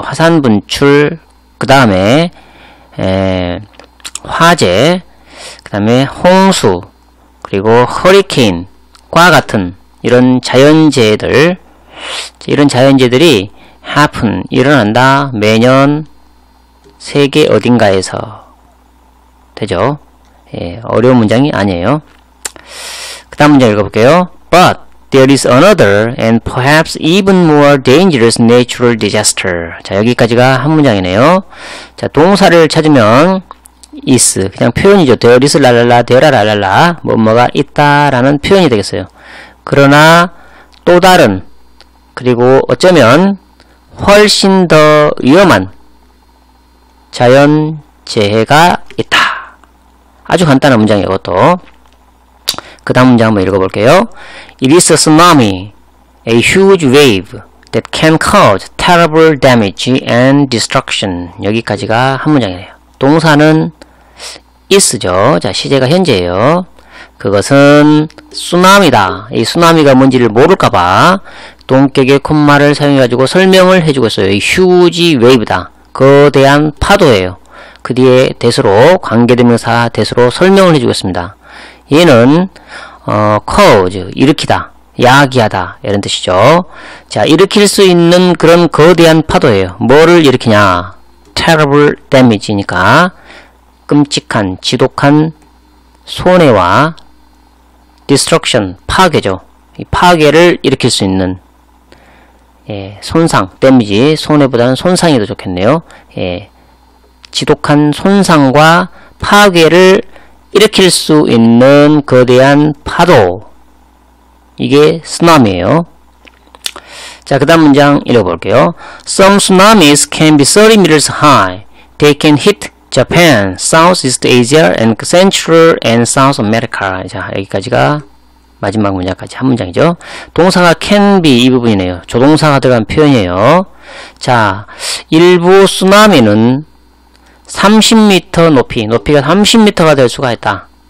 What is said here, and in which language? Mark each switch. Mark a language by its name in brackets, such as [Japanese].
[Korean] 화산 분출, 그 다음에 화재, 그 다음에 홍수, 그리고 허리케인과 같은 이런 자연재해들, 이런 자연재해들이 happen, 일어난다, 매년 세계 어딘가에서 되죠. 예, 어려운 문장이 아니에요. 그 다음 문장 읽어볼게요. [English] But there is another and perhaps even more dangerous natural disaster. [Korean] 자, 여기까지가 한 문장이네요. 자, 동사를 찾으면 is, 그냥 표현이죠. [English] There is [Korean] 랄랄라, [English] there are [Korean] 랄랄라, 뭐뭐가 있다 라는 표현이 되겠어요. 그러나 또 다른, 그리고 어쩌면 훨씬 더 위험한 자연재해가 있다. 아주 간단한 문장이에요, 이것도. 그 다음 문장 한번 읽어볼게요. [English] It is a tsunami, a huge wave that can cause terrible damage and destruction. [Korean] 여기까지가 한 문장이네요. 동사는 is죠. 자, 시제가 현재예요. 그것은 쓰나미다. 이 쓰나미가 뭔지를 모를까봐 동격의 콤마를 사용해가지고 설명을 해주고 있어요. [English] A huge wave [Korean] 다. 거대한 파도예요. 그 뒤에 대수로 관계대명사 대수로 설명을 해주고 있습니다. 얘는 cause, 일으키다, 야기하다 이런 뜻이죠. 자, 일으킬 수 있는 그런 거대한 파도예요. 뭐를 일으키냐? [English] terrible damage [Korean] 니까 끔찍한, 지독한 손해와 destruction, 파괴죠. 이 파괴를 일으킬 수 있는, 예, 손상, 데미지, 손해보다는 손상이 더 좋겠네요. 예, 지독한 손상과 파괴를 일으킬 수 있는 거대한 파도, 이게 쓰나미예요. 자, 그 다음 문장 읽어볼게요. [English] Some tsunamis can be 30 meters high. They can hit Japan, Southeast Asia, and Central and South America. [Korean] 자, 여기까지가 마지막 문장까지 한 문장이죠. 동사가 can be 이 부분이네요. 조동사가 들어간 표현이에요. 자, 일부 쓰나미는 30m 높이, 높이가 30m가 될 수가 있다.